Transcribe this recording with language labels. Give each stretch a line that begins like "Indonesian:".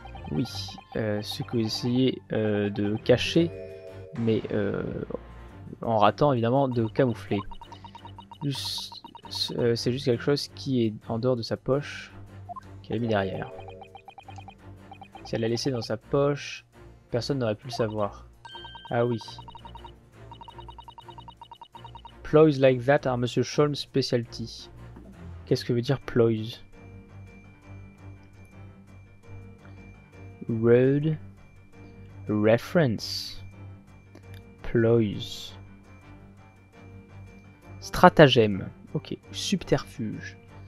French: Oui, ce que vous essayez de cacher, mais en ratant évidemment de camoufler. C'est juste quelque chose qui est en dehors de sa poche, qu'elle a mis derrière. Si elle l'a laissé dans sa poche, personne n'aurait pu le savoir. Ah oui.
English: Ploys like that are Monsieur Sholm's specialty.
French: Qu'est-ce que veut dire ploys?
English: Road reference. Ploys.
French: Stratagème. Ok. Subterfuge.